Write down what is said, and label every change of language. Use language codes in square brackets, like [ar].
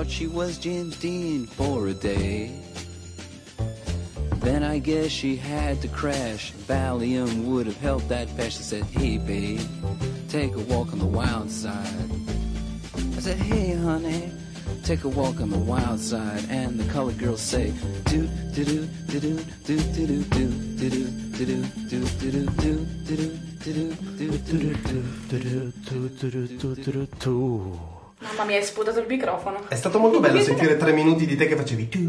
[en] thought she was James Dean for a day. Then I guess she had to crash. Valium would have helped that patch. She said, hey babe, take a walk on the wild side. I said, hey honey, take a walk on the wild side. And the colored girls say, do do do do do do do do do do do do do do do do do do do. [it] Mamma mia, hai sputato il microfono. È stato molto bello sentire tre minuti di te che facevi.